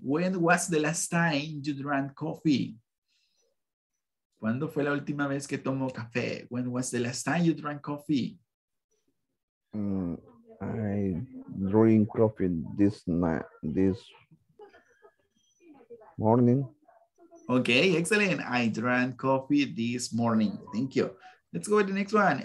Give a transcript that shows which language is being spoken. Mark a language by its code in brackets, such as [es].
[en] When was the last time you drank coffee? [es] ¿Cuándo fue la última vez que tomó café? [en] When was the last time you drank coffee? I drink coffee this night, this morning. Okay, excellent. I drank coffee this morning. Thank you. Let's go with the next one.